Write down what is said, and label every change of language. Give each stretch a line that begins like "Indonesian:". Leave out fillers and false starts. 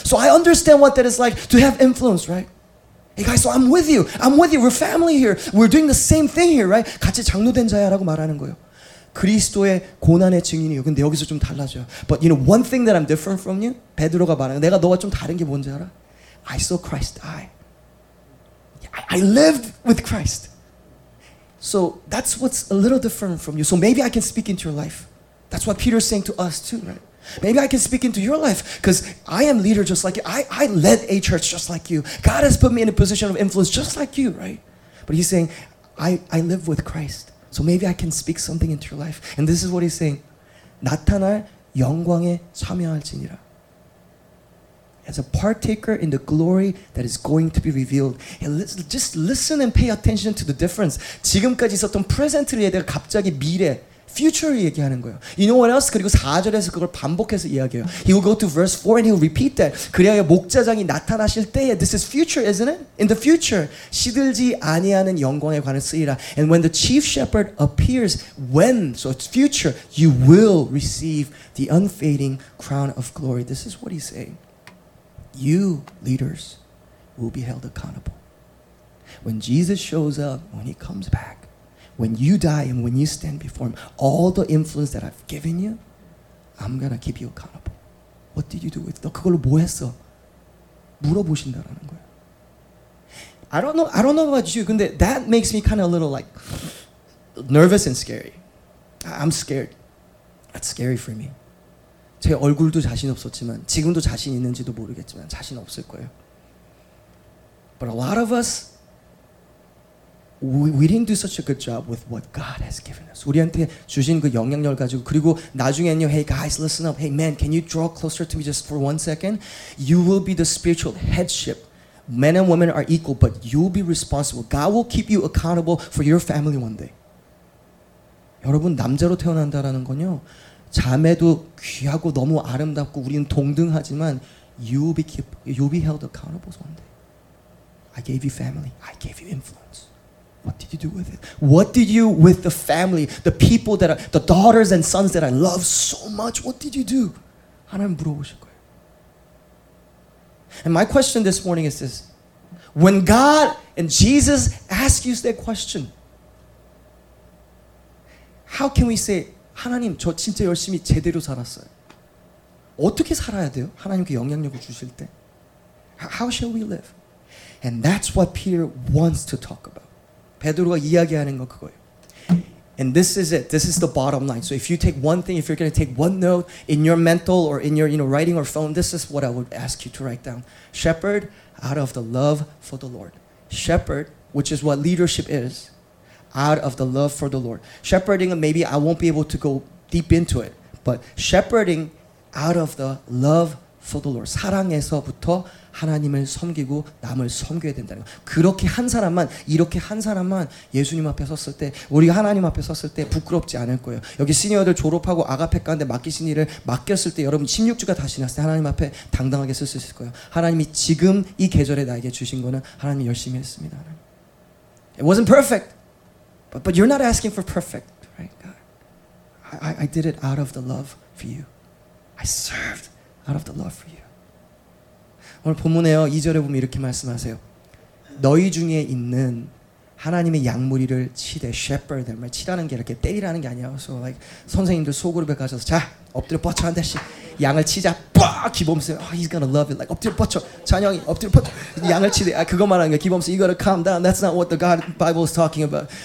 English: So I understand what that is like to have influence, right? Hey guys, so I'm with you. I'm with you. We're family here. We're doing the same thing here, right?
Korean: 같이 장로된 자야라고 말하는 거예요. 그리스도의 고난의 증인이요. 근데 여기서 좀 달라져요.
English: But you know, one thing that I'm different from you?
Korean: 베드로가 말하는 내가 너와 좀 다른 게 뭔지 알아?
English: I saw Christ die. I lived with Christ. So that's what's a little different from you. So maybe I can speak into your life. That's what Peter's saying to us too, right? Maybe I can speak into your life because I am leader just like you. I led a church just like you. God has put me in a position of influence just like you, right? But he's saying, I live with Christ. So maybe I can speak something into your life. And this is what he's saying.
Korean: 나타날 영광에 참여할지니라.
English: As a partaker in the glory that is going to be revealed. Just listen and pay attention to the difference.
Korean: 지금까지 있었던 present를 얘기하고 갑자기 미래, future를 얘기하는 거예요.
English: You know what else?
Korean: 그리고 4절에서 그걸 반복해서 이야기해요.
English: He will go to verse 4 and he will repeat that.
Korean: 그래야 목자장이 나타나실 때에
English: this is future, isn't it? In the future,
Korean: 시들지 아니하는 영광에 관해 쓰이라.
English: And when the chief shepherd appears, when, so it's future, you will receive the unfading crown of glory. This is what he's saying. You, leaders, will be held accountable. When Jesus shows up, when he comes back, when you die and when you stand before him, all the influence that I've given you, I'm gonna keep you accountable. What did you do with it?
Korean: 너 그걸로 뭐 했어? 물어보신다라는 거야.
English: I don't know about you, 근데 that makes me kind of a little like nervous and scary. I'm scared. That's scary for me.
Korean: 제 얼굴도 자신 없었지만 지금도 자신 있는지도 모르겠지만 자신 없을 거예요.
English: But a lot of us, we didn't do such a good job with what God has given us.
Korean: 우리한테 주신 그 영향력을 가지고 그리고 나중에는요,
English: hey guys, listen up. Hey man, can you draw closer to me just for one second? You will be the spiritual headship. Men and women are equal, but you'll be responsible. God will keep you accountable for your family one day.
Korean: 여러분, 남자로 태어난다라는 건요, 자매도 귀하고 너무 아름답고 우리는 동등하지만
English: you'll be held accountable one day. I gave you family. I gave you influence. What did you do with it? What did you with the family, the people that are, the daughters and sons that I love so much, what did you do?
Korean: 하나님 물어보실 거예요.
English: And my question this morning is this. When God and Jesus ask you that question, how can we say,
Korean: 하나님 저 진짜 열심히 제대로 살았어요. 어떻게 살아야 돼요? 하나님께 영향력을 주실 때.
English: How shall we live? And that's what Peter wants to talk about.
Korean: 베드로가 이야기하는 거 그거예요.
English: And this is it. This is the bottom line. So if you take one thing, if you're going to take one note in your mental or in your, you know, writing or phone, this is what I would ask you to write down. Shepherd out of the love for the Lord. Shepherd, which is what leadership is, out of the love for the Lord. Shepherding, maybe I won't be able to go deep into it, but shepherding out of the love for the Lord.
Korean: 사랑에서부터 하나님을 섬기고 남을 섬겨야 된다는 거. 그렇게 한 사람만, 이렇게 한 사람만 예수님 앞에 섰을 때, 우리가 하나님 앞에 섰을 때 부끄럽지 않을 거예요. 여기 시니어들 졸업하고 아가페 가운데 맡기신 일을 맡겼을 때 여러분 16주가 다 지났을 때 하나님 앞에 당당하게 쓸 수 있을 거예요. 하나님이 지금 이 계절에 나에게 주신 거는 하나님 열심히 했습니다.
English: It wasn't perfect. But you're not asking for perfect, right, God? I did it out of the love for you. I served out of the love for you.
Korean: 오늘 본문에요. 2절에 보면 이렇게 말씀하세요. 너희 중에 있는 하나님의 양무리를 치되 shepherd 말 치라는 게 이렇게 때리라는 게 아니야. So like 선생님들 소그룹에 가셔서 자 엎드려 뻗쳐 한 대씩 양을 치자.
English: 빡 기범수. Oh, he's gonna love it. Like
Korean: 엎드려 뻗쳐. 찬영이 엎드려 뻗쳐. 양을 치되 아 그거 말하는 거야.
English: 기범수 you gotta calm down. That's not what the God Bible is talking about.